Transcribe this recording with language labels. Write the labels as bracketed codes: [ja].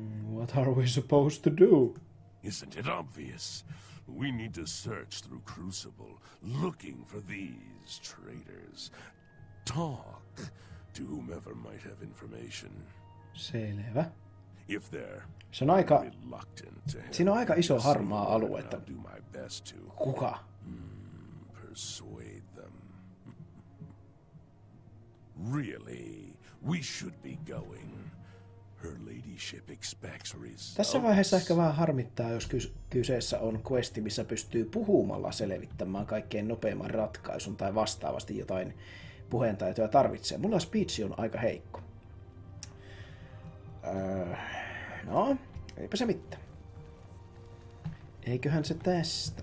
[en] What are we supposed to do? Isn't it obvious? We need to search through Crucible, looking for these traitors. Talk to whomever might have information. [fi] Selvä. [en] If they're reluctant to help, [fi] siinä on aika iso harmaa alue, että kuka [en] persuade them. Really, we should be going. Her ladyship expects results. [fi] Tässä vaiheessa ehkä vähän harmittaa, jos kyseessä on questi, missä pystyy puhumalla selvittämään kaikkein nopeimman ratkaisun tai vastaavasti jotain puheentaitoja tarvitsee. Mulla speech on aika heikko. No, eipä se mitään. Eiköhän se tästä.